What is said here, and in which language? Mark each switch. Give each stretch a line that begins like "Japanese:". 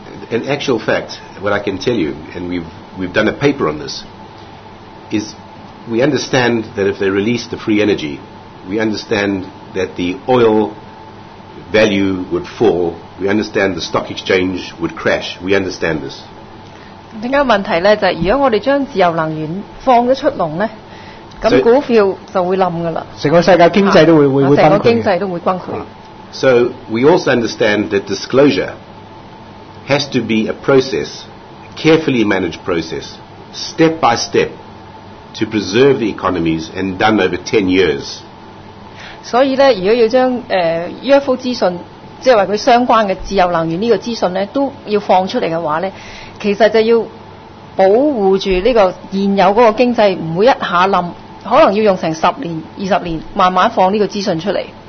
English: In actual fact, what I can tell you, and we've done a paper on this, is we understand that if they release the free energy, we understand that the oil value would fall. We understand the stock exchange would crash. We understand this.
Cantonese: 點解問題呢就係如果我哋將自由能源放咗出籠呢咁股票就會冧㗎喇。成個世界經濟都會崩潰。成個經濟都會崩潰。
English: So we also understand that disclosure has to be a process, carefully managed process, step by step to preserve the economies and done over 10 years.
Cantonese: 所以呢如果要將UFO 資訊即係話佢相關嘅自由能源呢個資訊呢都要放出嚟嘅話呢其實就要保護住呢個現有嗰個經濟唔會一下冧，可能要用成十年、二十年，慢慢放呢個資訊出嚟。